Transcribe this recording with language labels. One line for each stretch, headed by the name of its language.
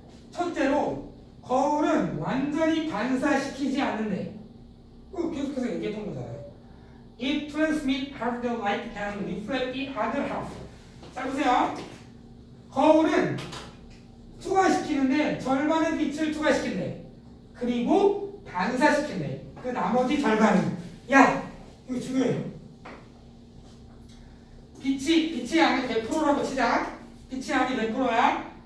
Korean: 첫째로 거울은 완전히 반사시키지 않는데 계속해서 얘기했던 거잖아요.
English: It transmits half the light and reflects the other half.
Korean: 자, 보세요. 거울은 투과시키는데 절반의 빛을 투과시킨대. 그리고 반사시킨대. 그 나머지 절반은. 야! 이거 중요해요. 빛의 양이 100%라고 치자. 빛의 양이 100%야.